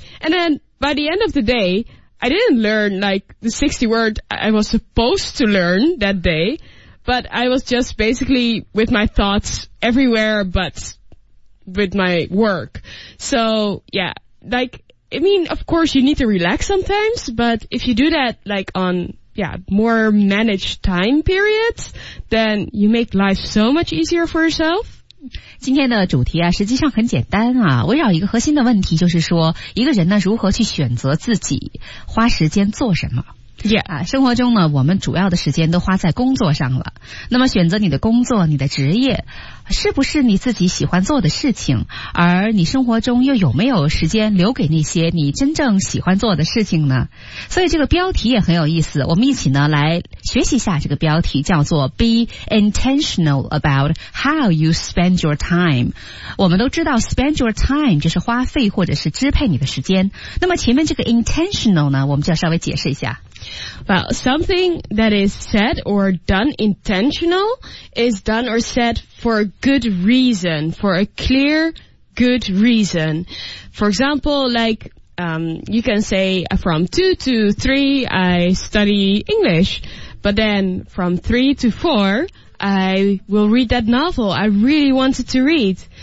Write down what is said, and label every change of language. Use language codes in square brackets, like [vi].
[en] And then, by the end of the day, I didn't learn, like, the 60 words I was supposed to learn that day, but I was just basically with my thoughts everywhere but with my work. So, yeah, like, I mean, of course, you need to relax sometimes, but if you do that, like, on, yeah, more managed time periods, then you make life so much easier for yourself. [zh] 今天的主题啊，实际上很简单啊，围绕一个核心的问题，就是说一个人呢如何去选择自己花时间做什么。 [en] Yeah. [zh] 啊，生活中呢我们主要的时间都花在工作上了，那么选择你的工作，你的职业是不是你自己喜欢做的事情，而你生活中又有没有时间留给那些你真正喜欢做的事情呢？所以这个标题也很有意思，我们一起呢来学习一下这个标题，叫做 [en] Be intentional about how you spend your time。 [zh] 我们都知道 [en] spend your time [zh] 就是花费或者是支配你的时间，那么前面这个 intentional 呢，我们就要稍微解释一下。 [en] Well, something that is said or done intentional is done or said for a good reason, for a clear good reason. For example, like, you can say from 2 to 3 I study English, but then from 3 to 4 I will read that novel I really wanted to read.